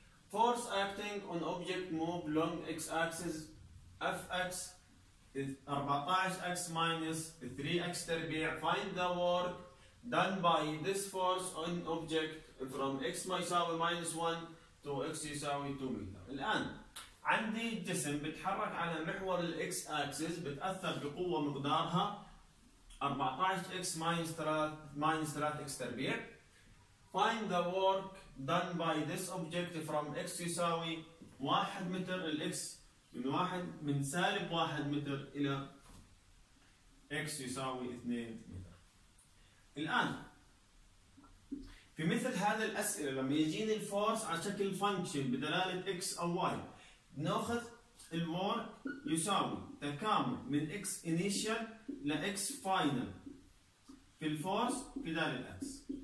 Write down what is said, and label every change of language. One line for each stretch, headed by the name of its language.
English: force acting on object move long x axis fx is 14x minus 3x تربيع. Find the work done by this force on object from x يساوي minus 1 to x يساوي 2 متر.
Arabic: الآن عندي جسم بتحرك على محور ال
English: x axis
Arabic: بتأثر بقوة مقدارها
English: 14x minus 3x
Arabic: تربيع.
English: Find the work done by this object from x يساوي 1 متر.
Arabic: ال x من واحد من سالب واحد متر إلى x يساوي 2 متر. الآن في مثل هذه الأسئلة لما يجيني الفورس على شكل function بدلالة x أو y نأخذ الورك يساوي تكامل من x initial ل x final في الفورس في دال الأكس.